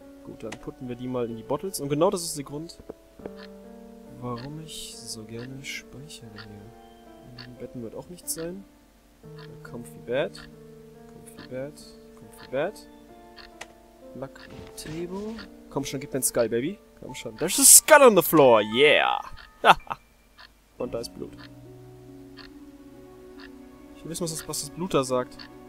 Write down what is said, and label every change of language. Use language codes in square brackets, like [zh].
[de] Gut, dann putten wir die mal in die Bottles. Und genau das ist der Grund, warum ich so gerne speichere hier. In den Betten wird auch nichts sein. [en] Comfy Bed. Comfy Bed. Comfy Bed. Luck on the table. [de] Komm schon, gib mir einen Skull, Baby. Komm schon. [en] There's a skull on the floor, yeah! [de] Und da ist Blut. Ich will wissen, was das Blut da sagt.